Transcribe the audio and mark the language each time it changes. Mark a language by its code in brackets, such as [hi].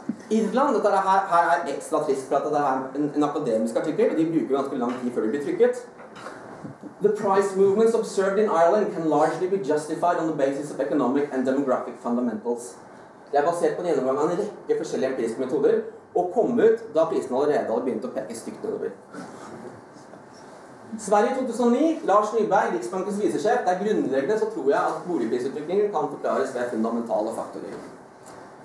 [no] Irland, dette her, her er ekstra trist for at det er en akademisk artikkel, de bruker ganske lang tid før de blir trykket. [en] The price movements observed in Ireland can largely be justified on the basis of economic and demographic fundamentals. [no] Det er basert på en gjennomgang av en rekke forskjellige empiriske metoder, og kom ut da prisen allerede hadde begynt å peke stygt nedover. Sverige 2009, Lars Nyberg, Riksbankens visesjef, det er grunnleggende så tror jeg at boligprisutviklingen kan forklares ved fundamentale faktorer.